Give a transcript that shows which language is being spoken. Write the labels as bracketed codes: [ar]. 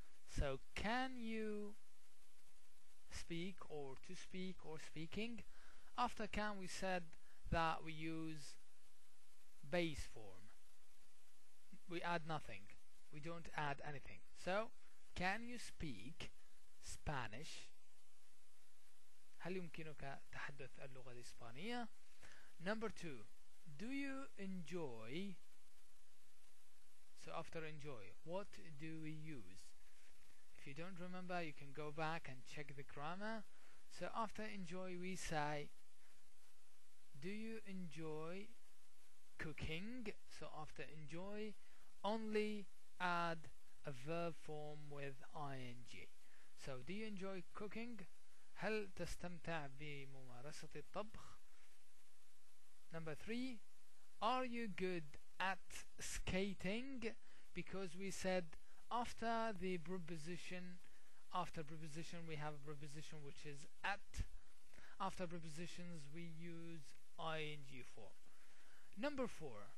[en] So, can you speak or to speak or speaking? After can, we said that we use base form. We add nothing. We don't add anything. So, can you speak Spanish? [ar] هل يمكنك تحدث اللغة الإسبانية؟ [en] Number 2. Do you enjoy? So, after enjoy, what do we use? If you don't remember, you can go back and check the grammar. So after enjoy, we say, do you enjoy cooking? So after enjoy, only add a verb form with ing. So do you enjoy cooking? [ar] هل تستمتع بممارسة الطبخ? [en] Number 3, are you good at skating? Because we said, after the preposition, after preposition we have a preposition which is at. After prepositions we use ing form. Number 4.